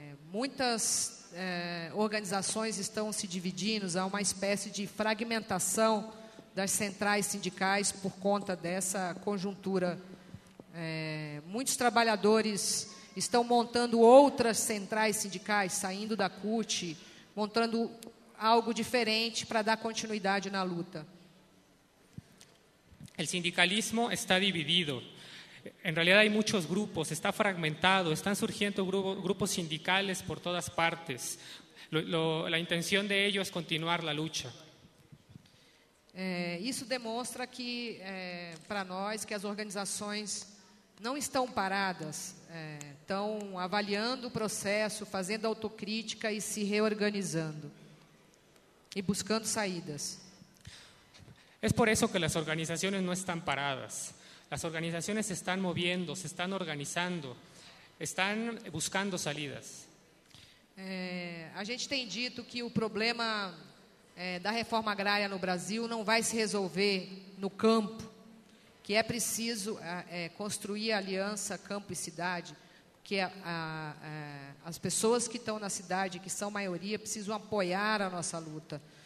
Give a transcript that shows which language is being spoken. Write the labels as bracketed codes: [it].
[pt] Muitas organizações estão se dividindo, há uma espécie de fragmentação das centrais sindicais por conta dessa conjuntura. Muitos trabalhadores estão montando outras centrais sindicais, saindo da CUT, montando algo diferente para dar continuidade na luta. O sindicalismo está dividido. [es] En realidad hay muchos grupos, está fragmentado, están surgiendo grupos sindicales por todas partes. La intención de ellos es continuar la lucha. Eso demuestra que para nosotros que las organizaciones no están paradas, están avaliando el proceso, haciendo autocrítica y se reorganizando y buscando salidas. Es por eso que las organizaciones no están paradas. Las organizaciones se están moviendo, se están organizando, están buscando salidas. [pt] A gente tem dito que o problema da reforma agrária no Brasil não vai se resolver no campo, que é preciso construir a aliança campo e cidade, que as pessoas que estão na cidade, que são maioria, precisam apoiar a nossa luta.